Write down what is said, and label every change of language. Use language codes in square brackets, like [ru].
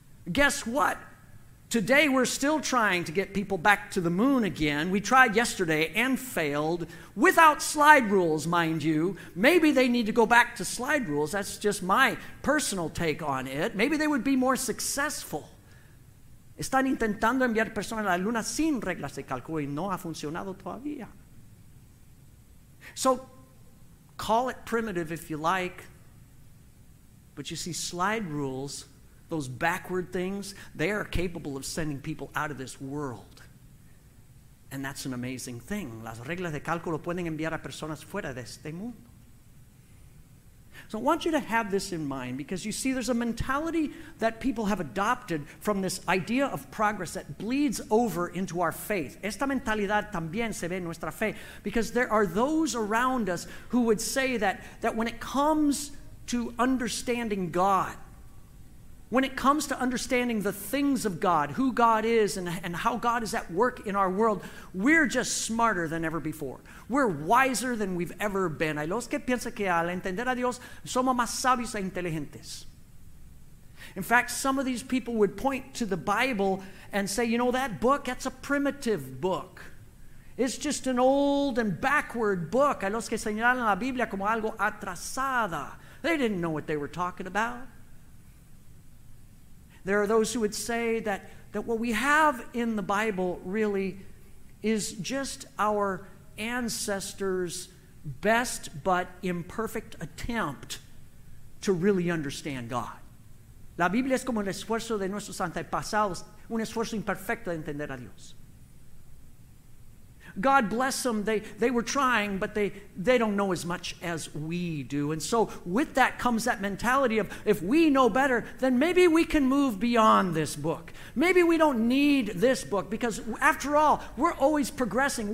[en] Guess what? Today, we're still trying to get people back to the moon again. We tried yesterday and failed without slide rules, mind you. Maybe they need to go back to slide rules. That's just my personal take on it. Maybe they would be more successful. [es] Están intentando enviar personas a la luna sin reglas de cálculo y no ha funcionado todavía. [en] So, call it primitive if you like, but you see, slide rules, those backward things, they are capable of sending people out of this world. And that's an amazing thing. [es] Las reglas de cálculo pueden enviar a personas fuera de este mundo. [en] So I want you to have this in mind because you see, there's a mentality that people have adopted from this idea of progress that bleeds over into our faith. [es] Esta mentalidad también se ve en nuestra fe. [en] Because there are those around us who would say that when it comes to understanding God, when it comes to understanding the things of God, who God is and how God is at work in our world, we're just smarter than ever before. We're wiser than we've ever been. [es] Hay los que piensan que al entender a Dios somos más sabios e inteligentes. [en] In fact, some of these people would point to the Bible and say, you know, that book, that's a primitive book. It's just an old and backward book. [es] Hay los que señalan la Biblia como algo atrasada. [en] They didn't know what they were talking about. There are those who would say that what we have in the Bible really is just our ancestors' best but imperfect attempt to really understand God. [es] La Biblia es como el esfuerzo de nuestros antepasados, un esfuerzo imperfecto de entender a Dios. [en] God bless them. They were trying, but they don't know as much as we do. And so with that comes that mentality of, if we know better, then maybe we can move beyond this book. Maybe we don't need this book, because after all, we're always progressing.